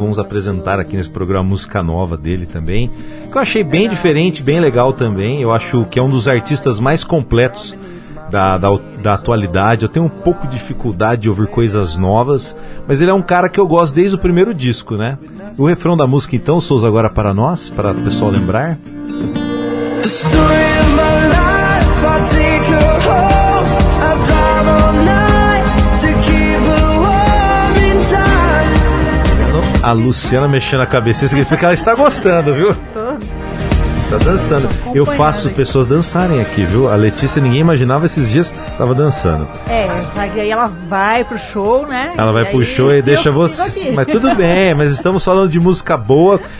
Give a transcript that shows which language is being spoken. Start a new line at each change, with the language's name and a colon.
Portuguese: Vamos apresentar aqui nesse programa a música nova dele também, que eu achei bem diferente, bem legal também. Eu acho que é um dos artistas mais completos da atualidade. Eu tenho um pouco de dificuldade de ouvir coisas novas, mas ele é um cara que eu gosto desde o primeiro disco, né? O refrão da música, então, Souza, agora para nós, para o pessoal lembrar.
English: The story of my life, I take her home. I drive all night to keep her warm in time.
Portuguese: A Luciana mexendo a cabeça, significa que ela está gostando, viu? Tá dançando. Eu faço pessoas dançarem aqui, viu? A Letícia, ninguém imaginava esses dias, tava dançando. É, aí ela vai pro show, né? Ela vai pro show e deixa você. Mas tudo bem, mas estamos falando de música boa.